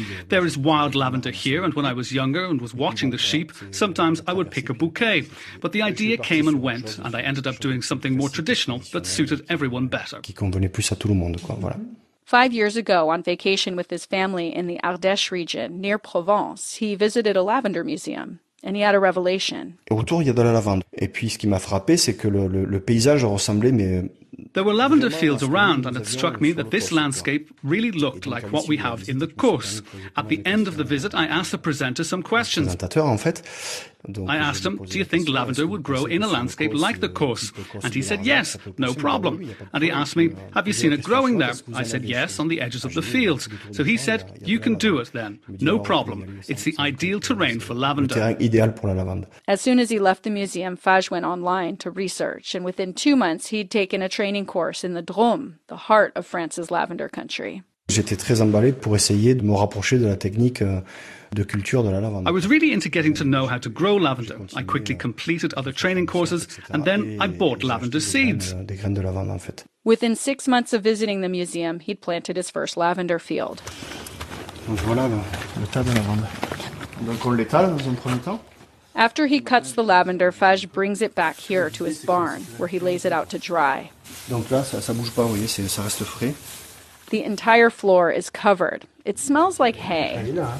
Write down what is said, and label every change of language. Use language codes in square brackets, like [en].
[en] There is wild lavender here, and when I was younger and was watching the sheep, sometimes I would pick a bouquet. But the idea came and went, and I ended up doing something more traditional that suited everyone better. 5 years ago, on vacation with his family in the Ardèche region, near Provence, he visited a lavender museum. And he had a revelation. [fr] Autour, il y a de la lavande. Et puis, ce qui m'a frappé, c'est que le paysage ressemblait, mais. [en] There were lavender fields around, and it struck me that this landscape really looked like what we have in the Causses. At the end of the visit, I asked the presenter some questions. [fr] Présentateur, en fait. [en] I asked him, do you think lavender would grow in a landscape like the Causses? And he said, yes, no problem. And he asked me, have you seen it growing there? I said, yes, on the edges of the fields. So he said, you can do it then, no problem. It's the ideal terrain for lavender. As soon as he left the museum, Fage went online to research. And within 2 months, he'd taken a training course in the Drôme, the heart of France's lavender country. [fr] J'étais très emballé pour essayer de me rapprocher de la technique de culture de la lavande. [en] I was really into getting to know how to grow lavender. I quickly completed other training courses and then I bought lavender seeds. [fr] Des graines de lavande, en fait. [en] Within 6 months of visiting the museum, he'd planted his first lavender field. [fr] Donc voilà le tas de lavande. Donc on l'étale dans un premier temps. [en] After he cuts the lavender, Fage brings it back here to his barn where he lays it out to dry. [fr] Donc là ça bouge pas, vous voyez, ça reste frais. [en] The entire floor is covered. It smells like hay.